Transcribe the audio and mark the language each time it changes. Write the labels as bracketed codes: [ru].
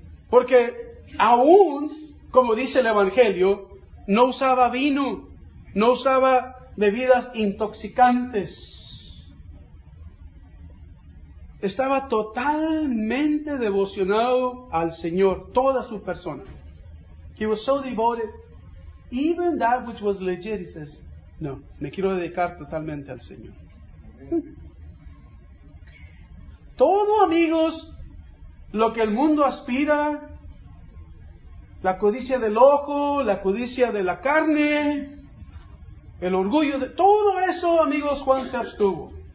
[es] Porque aún, como dice el Evangelio, no usaba vino, no usaba bebidas intoxicantes. Estaba totalmente devocionado al Señor, toda su persona. [en] He was so devoted. Even that which was legit, he says, [es] no, me quiero dedicar totalmente al Señor. Todo, amigos, lo que el mundo aspira, la codicia del ojo, la codicia de la carne, el orgullo, de todo eso, amigos, Juan se abstuvo.